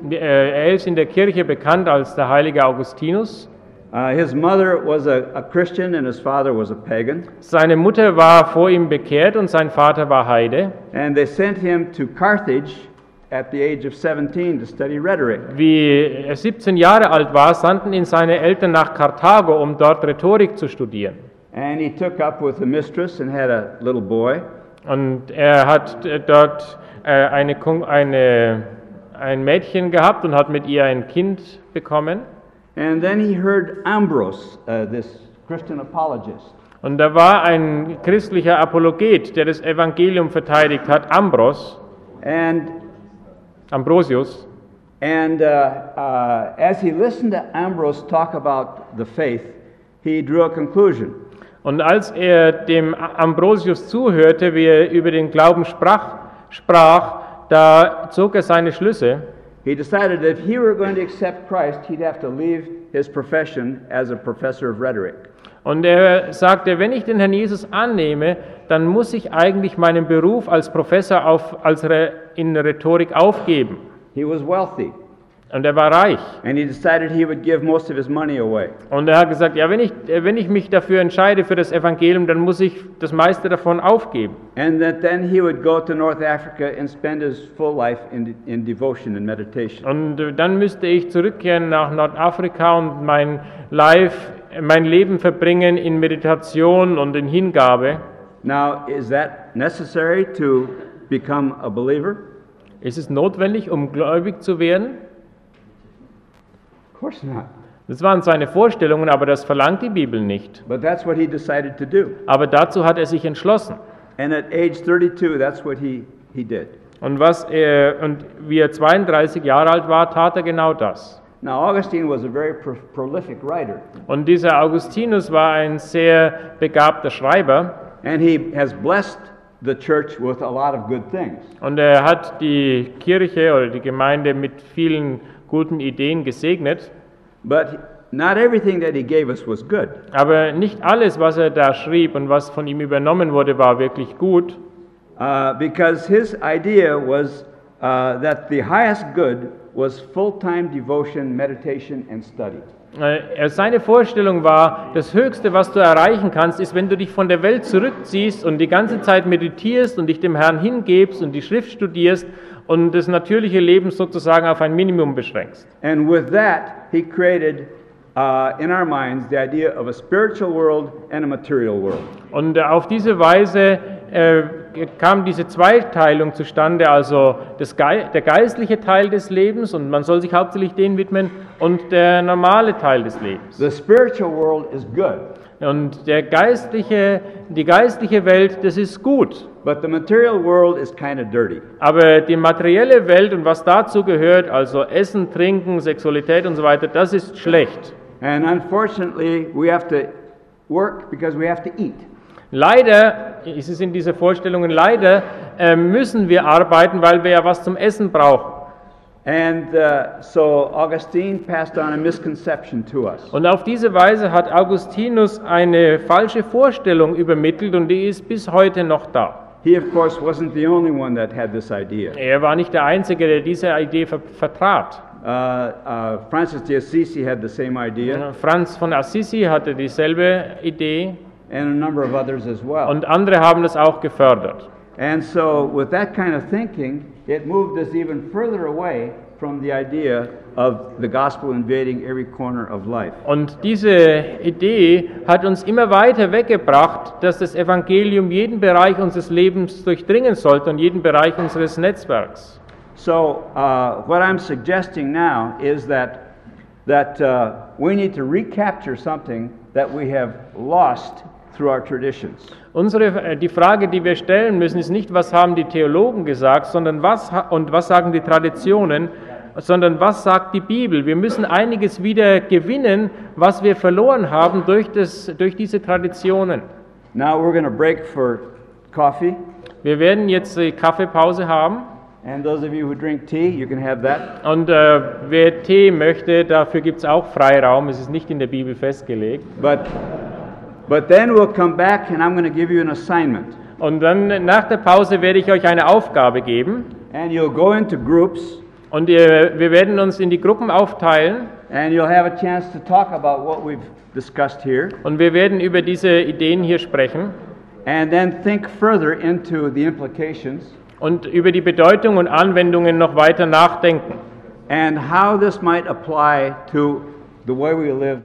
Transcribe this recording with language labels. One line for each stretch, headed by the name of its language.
German: Er ist in der Kirche bekannt als der heilige Augustinus.
English: His mother was a Christian and his father was a pagan.
German: Seine Mutter war vor ihm bekehrt und sein Vater war Heide.
English: And they sent him to Carthage at the age of 17 to study rhetoric.
German: Wie er 17 Jahre alt war, sandten ihn seine Eltern nach Karthago, um dort Rhetorik zu studieren.
English: And he took up with a mistress and had a little boy.
German: Und er hat dort ein Mädchen gehabt und hat mit ihr ein Kind bekommen.
English: And then he heard Ambrose, this Christian apologist.
German: Und da war ein christlicher Apologet, der das Evangelium verteidigt hat, Ambrosius.
English: And as he listened to Ambrose talk about the faith, he drew a conclusion.
German: Und als er dem Ambrosius zuhörte, wie er über den Glauben sprach, da zog er seine Schlüsse.
English: He decided that if he were going to accept Christ, he'd have to leave his profession as a professor of rhetoric.
German: Und er sagte, wenn ich den Herrn Jesus annehme, dann muss ich eigentlich meinen Beruf als Professor in Rhetorik aufgeben.
English: He was wealthy.
German: Und er war reich.
English: And he decided he would give most of his money away.
German: Und er hat gesagt, ja, wenn ich mich dafür entscheide für das Evangelium, dann muss ich das meiste davon aufgeben.
English: And that then he would go to North Africa and spend his full life in devotion and meditation.
German: Und dann müsste ich zurückkehren nach Nordafrika und mein Leben verbringen in Meditation und in Hingabe.
English: Now is that necessary to become a believer?
German: Ist es notwendig, um gläubig zu werden?
English: Of course not.
German: Das waren seine Vorstellungen, aber das verlangt die Bibel nicht.
English: But that's what he decided to do.
German: Aber dazu hat er sich entschlossen.
English: And at age 32, that's what he did.
German: Und wie er 32 Jahre alt war, tat er genau das.
English: Now Augustine was a very prolific writer.
German: Und dieser Augustinus war ein sehr begabter Schreiber.
English: And he has blessed the church with a lot of good things.
German: Und er hat die Kirche oder die Gemeinde mit vielen guten Ideen gesegnet.
English: But not everything that he gave us was good.
German: Aber nicht alles, was er da schrieb und was von ihm übernommen wurde, war wirklich gut.
English: Because his idea was that the highest good was full-time devotion, meditation and study.
German: Seine Vorstellung war, das Höchste, was du erreichen kannst, ist, wenn du dich von der Welt zurückziehst und die ganze Zeit meditierst und dich dem Herrn hingebst und die Schrift studierst und das natürliche Leben sozusagen auf ein Minimum beschränkst.
English: And with that he created in our minds the idea of a spiritual world and a material world.
German: Und auf diese Weise kam diese Zweiteilung zustande, also der geistliche Teil des Lebens und man soll sich hauptsächlich den widmen und der normale Teil des Lebens.
English: The spiritual world is good.
German: Und die geistliche Welt, das ist gut.
English: But the material world is kind of dirty.
German: Aber die materielle Welt und was dazu gehört, also Essen, Trinken, Sexualität und so weiter, das ist schlecht.
English: And unfortunately, we have to work because we have to eat.
German: Leider ist es in dieser Vorstellung, leider müssen wir arbeiten, weil wir ja was zum Essen brauchen.
English: And so Augustine passed on a misconception to us.
German: Und auf diese Weise hat Augustinus eine falsche Vorstellung übermittelt und die ist bis heute noch da.
English: He of course wasn't the only one that had this idea.
German: Er war nicht der einzige, der diese Idee vertrat.
English: Francis de Assisi had the same idea.
German: Franz von Assisi hatte dieselbe Idee.
English: And a number of others as well.
German: Und andere haben das auch gefördert.
English: And so with that kind of thinking, it moved us even further away from the idea of the gospel invading every corner of life.
German: Und diese Idee hat uns immer weiter weggebracht, dass das Evangelium jeden Bereich unseres Lebens durchdringen sollte und jeden Bereich unseres Netzwerks.
English: So what I'm suggesting now is that we need to recapture something that we have lost through our traditions.
German: Die Frage, die wir stellen müssen, ist nicht, was haben die Theologen gesagt, sondern was sagen die Traditionen, sondern was sagt die Bibel? Wir müssen einiges wieder gewinnen, was wir verloren haben durch diese Traditionen.
English: Now we're going to break for coffee.
German: Wir werden jetzt die Kaffeepause haben.
English: And those of you who drink tea, you can have that.
German: Und wer Tee möchte, dafür gibt's auch Freiraum. Es ist nicht in der Bibel festgelegt.
English: But then we'll come back and I'm going to give you an assignment.
German: Und dann nach der Pause werde ich euch eine Aufgabe geben.
English: And you'll go into groups.
German: Und wir werden uns in die Gruppen aufteilen.
English: And you'll have a chance to talk about what we've discussed here.
German: Und wir werden über diese Ideen hier sprechen.
English: And then think further into the implications.
German: Und über die Bedeutung und Anwendungen noch weiter nachdenken.
English: And how this might apply to the way we live.